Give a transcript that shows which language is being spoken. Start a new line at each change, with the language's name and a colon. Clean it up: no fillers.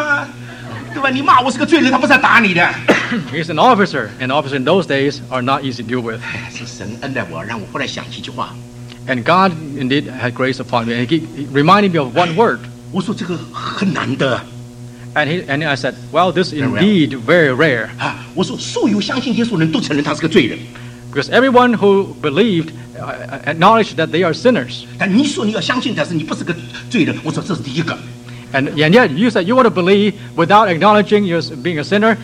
Chinese: 啊，他是个军人嘛，对吧？你骂我是个罪人，他不是来打你的。
English: He's an officer, and officers in those days are not easy to deal with.
Chinese: 是神恩待我，让我后来想起句话。
English: And God indeed had grace upon me. And he reminded me of one word.
Chinese: 我说这个很难得,
English: and I said, well, this is indeed very rare.
Chinese: 啊, 我说所有相信耶稣的人都承认他是个罪人,
English: because everyone who believed acknowledged that they are sinners.
Chinese: 但你说你要相信,但是你不是个罪人, 我说这是第一个,
English: and yet you said you want to believe without acknowledging you're being a sinner.